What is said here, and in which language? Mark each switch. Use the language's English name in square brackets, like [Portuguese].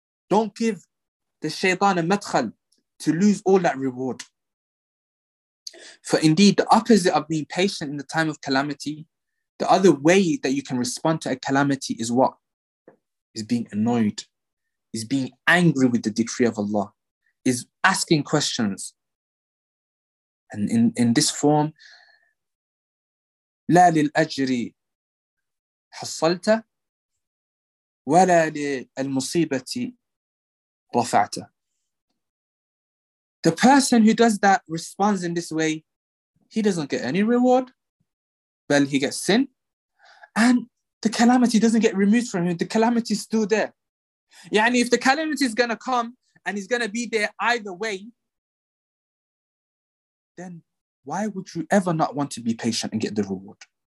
[English] Don't give the shaytan a madkhal to lose all that reward. For indeed, the opposite of being patient in the time of calamity, the other way that you can respond to a calamity is what? Is being annoyed. Is being angry with the decree of Allah. Is asking questions. [Arabic] And in this form, لا للأجري حصلت ولا للمصيبة رفعت. [English] The person who does that responds in this way, he doesn't get any reward, but he gets sin, and the calamity doesn't get removed from him. The calamity is still there. Yani if the calamity is gonna come and he's gonna be there either way, then why would you ever not want to be patient and get the reward?